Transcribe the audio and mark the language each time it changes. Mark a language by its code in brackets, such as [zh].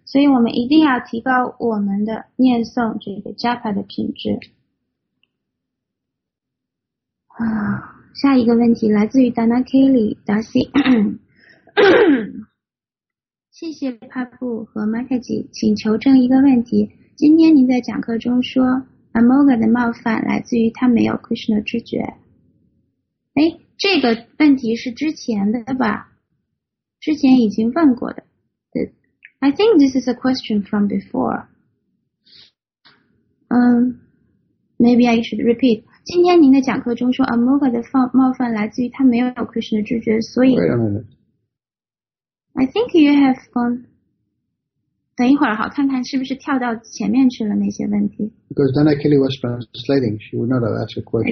[zh] 所以我们一定要提高我们的念诵这个 Japa 的品质。下一个问题来自于 Dana Kelly, Darcy. 谢谢帕布和 Mataji, 请求证一个问题。今天您在讲课中说 Amoga 的冒犯来自于他没有 Krishna 知觉。诶，这个问题是之前的吧？之前已经问过的。 [en] I think this is a question from before. Maybe I should repeat. [zh] 今天您的讲课中说 Amoga 的冒犯来自于他没有 Krishna 知觉，所以。 [en] I think you have gone. [zh] 等一会儿好，看看是不是跳到前面去了那些问题。 [en] Because Dana Kelly was translating, she would not have asked a question.